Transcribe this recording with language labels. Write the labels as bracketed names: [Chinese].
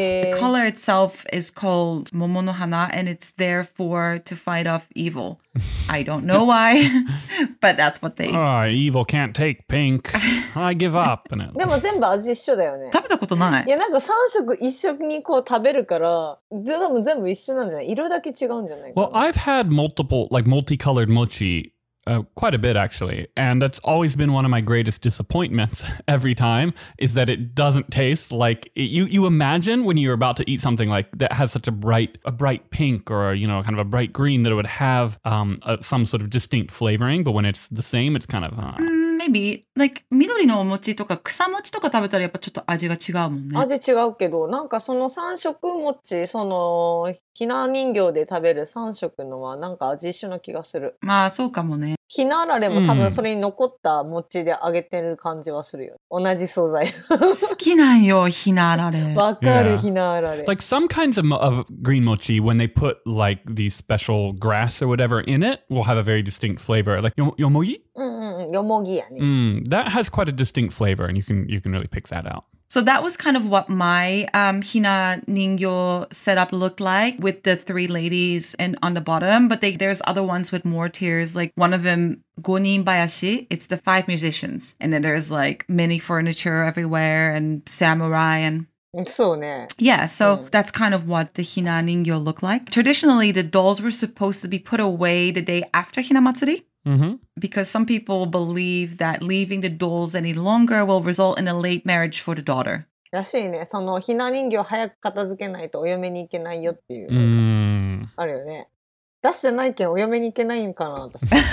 [English] The color itself is called 桃の花, and it's there for to fight off evil. I don't know why, but that's what they... Oh, evil can't take pink. I give up. [Japanese] でも全部味一緒だよね。食べたことない。いや、なんか三色一色にこう食べるから、でも全部一緒なんじゃない？色だけ違うんじゃないかな。 [English] Well, I've had multiple, like multicolored mochi,quite a bit, actually. And that's always been one of my greatest disappointments every time, is that it doesn't taste like... You imagine when you're about to eat something like that has such a bright pink or, you know, kind of a bright green, that it would have some sort of distinct flavoring. But when it's the same, it's kind of... Maybe. [Japanese] Like, 緑のお餅とか草餅とか食べたらやっぱちょっと味が違うもんね。味違うけど、なんかその三色餅、そのひな人形で食べる三色のはなんか味一緒な気がする。まあそうかもね。ひなあられも多分それに残った餅で揚げてる感じはするよ。同じ素材。好きなんよ、ひなあられ。わかる、ひなあられ。 [English] Like some kinds of green mochi, when they put like the special grass or whatever in it, will have a very distinct flavor. Like よもぎ? [Japanese] よもぎやね。 [English] That has quite a distinct flavor, and you can really pick that out. So that was kind of what my hina ningyo setup looked like, with the three ladies and on the bottom. But there's other ones with more tiers. Like one of them, gonin bayashi, it's the five musicians. And then there's like mini furniture everywhere and samurai and... [Japanese] そうね。 [English] Yeah, so that's kind of what the hina ningyo look like. Traditionally, the dolls were supposed to be put away the day after hina matsuri. Mm-hmm. Because some people believe that leaving the dolls any longer will result in a late marriage for the daughter. [Japanese] らしいね。そのひな人形早く片付けないとお嫁に行けないよっていう。あるよね。出しじゃないけんお嫁に行けないんかな、私。